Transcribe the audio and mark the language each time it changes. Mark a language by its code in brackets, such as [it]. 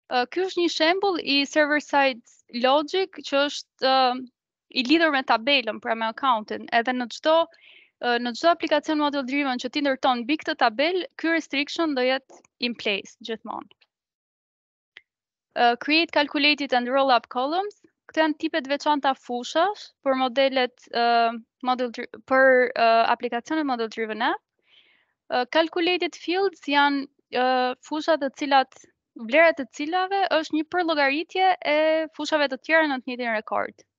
[sq] Ky është një shembull i server-side logic që është i lidhur me tabelën, pra me accountin, edhe në çdo aplikacion model-driven që ti ndërton mbi këtë tabelë, ky restriction do jetë [en] in place [sq] gjithmonë. [en] Create calculated and roll up columns. [sq] Këto janë tipet veçanta fushash për modelet aplikacionet model driven app. Calculated fields janë fushat të cilat vlerat të cilave është një për llogaritje e fushave të tjera në të njëjtin rekord.